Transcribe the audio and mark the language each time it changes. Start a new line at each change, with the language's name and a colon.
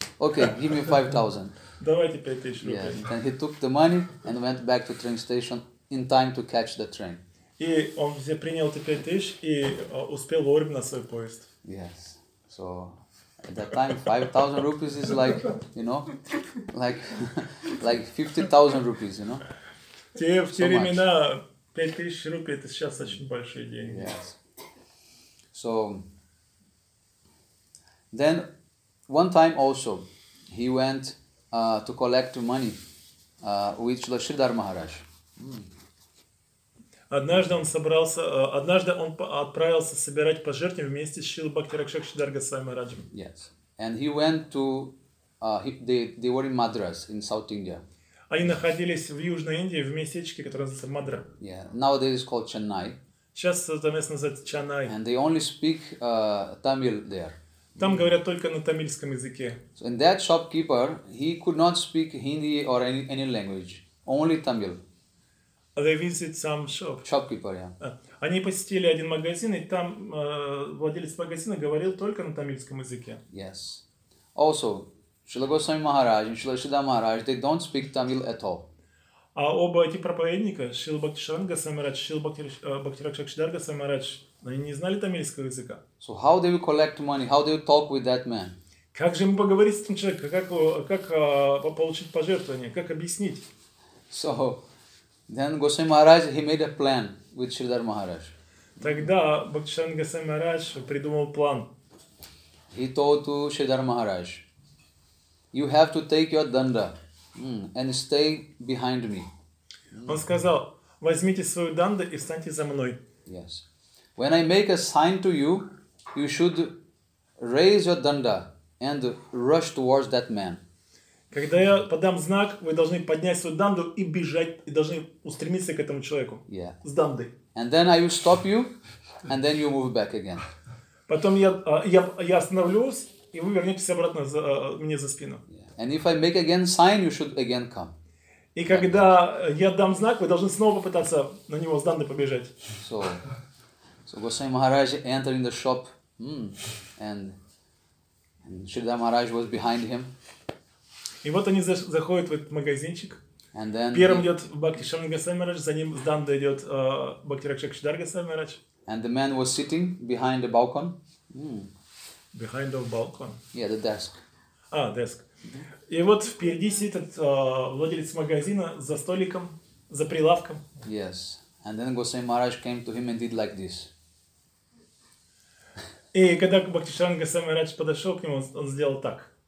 English: Okay, give me 5,000.
Russian: Давайте 5000 рублей.
English: Yeah. And he took the money and went back to train station in time to catch the train.
Russian: И он все принял эти 5000 и успел вовремя на свой поезд.
English: Yes. So at that time 5000 rupees is like, you know, like 50000 rupees, you know.
Russian: В те времена 5000 рупий это сейчас очень большие деньги.
English: Yes. So then one time also he went to collect money with Lashridhar Maharaj.
Russian: Однажды он собрался, однажды он отправился собирать пожертвования вместе с Шрилой Бхакти Ракшак Шридхар Госвами Махараджем.
English: Yes. And he went to they were in Madras in South India.
Russian: Они находились в Южной Индии в местечке, которое называется Мадра.
English: Yeah. Nowadays it's called Chennai.
Russian: Сейчас это место называется Чаннай.
English: And they only speak Tamil there.
Russian: Там говорят только на тамильском языке.
English: So, and that shopkeeper, he could not speak Hindi or any language, only Tamil. They visit some shop. Shopkeeper, yeah.
Russian: Они посетили один магазин, и там владелец магазина говорил только на тамильском языке.
English: Yes. Also, Шрила Госвами Махарадж и Шрила Шридхар Махарадж, they don't speak Tamil at all.
Russian: А оба эти проповедника, Шрила Бхактишранга Госвами Махарадж, Шрила Бхакти Ракшак Шридхар Госвами Махарадж, они не знали тамильского языка.
English: So how do you collect money? How do you talk with that man?
Russian: Как же ему поговорить с этим человеком? Как получить пожертвование? Как объяснить?
English: So then Госвами Махарадж, he made a plan with Шридхар Махарадж.
Russian: Тогда Бхактишранга Госвами Махарадж придумал план.
English: He told to Шридхар Махарадж, you have to take your danda and stay behind me.
Russian: Он сказал, возьмите свою данду и встаньте за мной.
English: Yes. When I make a sign to you, you should raise your danda and rush towards that man.
Russian: Когда я подам знак, вы должны поднять свою данду и бежать, и должны устремиться к этому человеку.
English: Yeah.
Russian: С дандой.
English: And then I will stop you, and then you move back again.
Russian: Потом я остановлюсь, и вы вернетесь обратно за, мне за спину.
English: Yeah. And if I make again sign, you should again come.
Russian: И когда я дам знак, вы должны снова попытаться на него с данды побежать.
English: So Госвами Махарадж entered in the shop, and Шридхар Махарадж was behind him.
Russian: И вот они заходят в этот магазинчик.
English: And then
Russian: первым идет Бхактишранга Госвами Махарадж, за ним с данды идет Бхакти Ракшак Шридхар Госвами Махарадж.
English: And the man was sitting behind the balcony. Behind the balcon. Yeah, the desk. А, desk. Mm-hmm.
Russian: И вот впереди сидит владелец магазина за столиком, за прилавком.
English: Yes. And then Госвами Махарадж came to him and did like this.
Russian: И когда Бхактишранга Госвами Махарадж подошел к нему, он сделал так.